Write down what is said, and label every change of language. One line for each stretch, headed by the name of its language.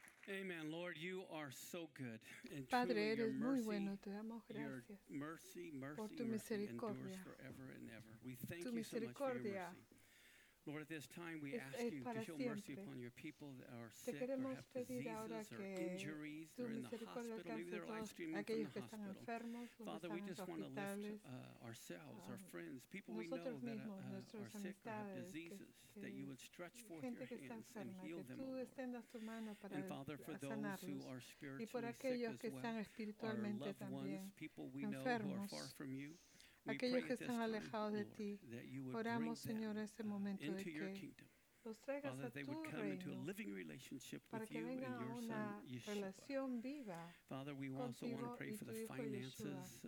English: Amen, Lord, you are so good.
Spanish: And Padre, truly, eres muy bueno, te damos gracias.
English: Your mercy,
Spanish: por tu misericordia.
English: Endures forever and ever. We thank you so much for your mercy. Lord, at this time we ask you to show mercy upon your people that are sick or have diseases or injuries, they're in the hospital, maybe they're live streaming from the hospital.
Spanish: Enfermos,
English: Father, we just want to lift ourselves, our friends, people we know that are sick or have diseases, that you would stretch forth your hands and heal them, Lord. And Father, for those who are spiritually sick as well, our loved ones, people we know who are far from you,
Spanish: aquellos que están alejados de ti, oramos, Señor, en ese momento de que los traigas a tu reino para que vengan a una relación viva contigo y tu Hijo Yeshua.